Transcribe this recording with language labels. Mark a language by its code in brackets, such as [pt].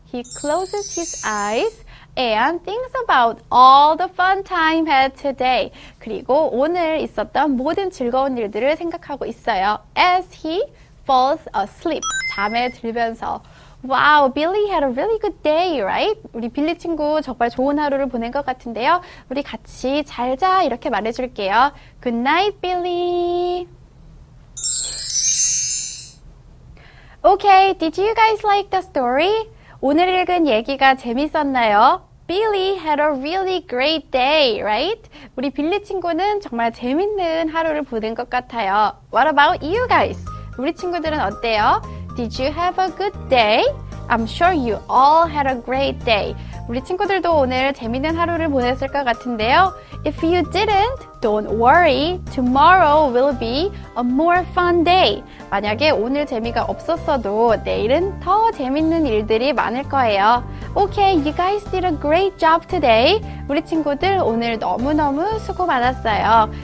[en] He closes his eyes and thinks about all the fun time had today. [ko] 그리고 오늘 있었던 모든 즐거운 일들을 생각하고 있어요. [en] As he falls asleep, [ko] 잠에 들면서. [en] Wow, Billy had a really good day, right? [ko] 우리 빌리 친구 정말 좋은 하루를 보낸 것 같은데요. 우리 같이 잘 자 이렇게 말해줄게요. [en] Good night, Billy. Okay, did you guys like the story? [ko] 오늘 읽은 얘기가 재밌었나요? [en] Billy had a really great day, right? [ko] 우리 빌리 친구는 정말 재밌는 하루를 보낸 것 같아요. [en] What about you guys? [ko] 우리 친구들은 어때요? [en] Did you have a good day? I'm sure you all had a great day. [ko] 우리 친구들도 오늘 재밌는 하루를 보냈을 것 같은데요. [en] If you didn't, don't worry. Tomorrow will be a more fun day. [ko] 만약에 오늘 재미가 없었어도 내일은 더 재밌는 일들이 많을 거예요. [en] Okay, you guys did a great job today. [ko] 우리 친구들 오늘 너무너무 수고 많았어요.